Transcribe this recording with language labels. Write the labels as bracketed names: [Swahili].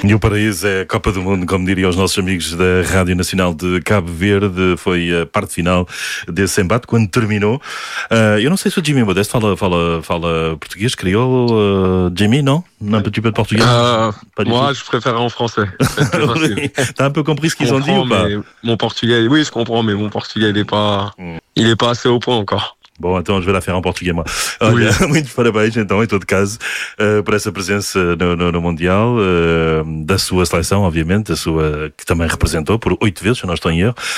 [Portuguese] E o paraíso é a Copa do Mundo, como diriam os nossos amigos da Rádio Nacional de Cabo Verde, foi a parte final desse embate, quando terminou. Eu não sei se o Jimmy Modeste fala português, criou Jimmy, não? Não, para tipo de português? [French] Moi, je préfère en français. T'as un peu compris ce qu'ils ont dit ou pas? Mon portugais, oui, je comprends, mais mon portugais, il est pas assez au point encore. [Portuguese] Bom, então [French] je vais la faire en portugais, moi. [Portuguese] Olha, [French] oui. [Portuguese] Muito parabéns, então, em todo caso, por essa presença no Mundial, da sua seleção, obviamente, a sua, que também representou por 8 vezes, se não estou em erro.